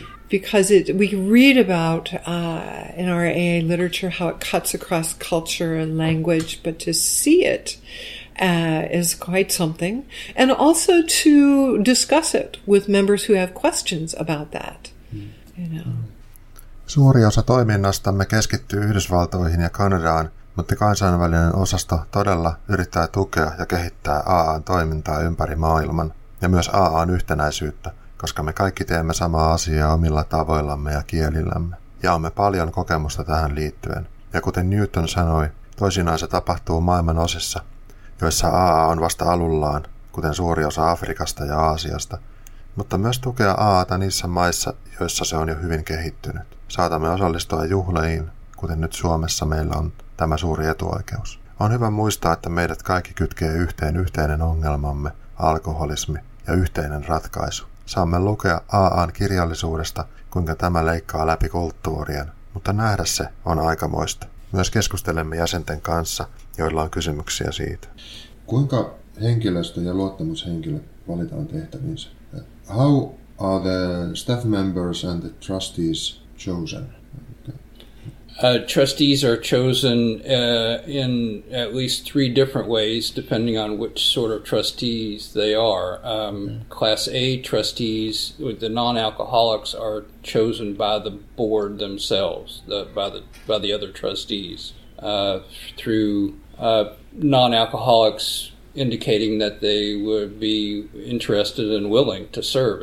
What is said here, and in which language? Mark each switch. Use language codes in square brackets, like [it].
[en] Because we read about in our AA literature how it cuts across culture and language, but to see it is quite something, and also to discuss it with members who have questions about that. [fi] Suuri osa toiminnastamme keskittyy Yhdysvaltoihin ja Kanadaan, mutta kansainvälinen osasto todella yrittää tukea ja kehittää AA:n toimintaa ympäri maailman ja myös AA:n yhtenäisyyttä, koska me kaikki teemme samaa asiaa omilla tavoillamme ja kielillämme. Jaamme paljon kokemusta tähän liittyen. Ja kuten Newton sanoi, toisinaan se tapahtuu maailman osissa, joissa AA on vasta alullaan, kuten suuri osa Afrikasta ja Aasiasta, mutta myös tukea AA:ta niissä maissa, joissa se on jo hyvin kehittynyt. Saatamme osallistua juhleihin, kuten nyt Suomessa meillä on tämä suuri etuoikeus. On hyvä muistaa, että meidät kaikki kytkee yhteinen ongelmamme, alkoholismi ja yhteinen ratkaisu. Saamme lukea AA:n kirjallisuudesta, kuinka tämä leikkaa läpi kulttuurien, mutta nähdä se on aikamoista. Myös keskustelemme jäsenten kanssa, joilla on kysymyksiä siitä. Kuinka henkilöstö ja luottamushenkilö valitaan tehtäviinsä? [en] How are the staff members and the trustees chosen? Trustees are chosen in at least three different ways, depending on which sort of trustees they are. Class A trustees, the non-alcoholics, are chosen by the board themselves, by the other trustees, through non-alcoholics indicating that they would be interested and willing to serve.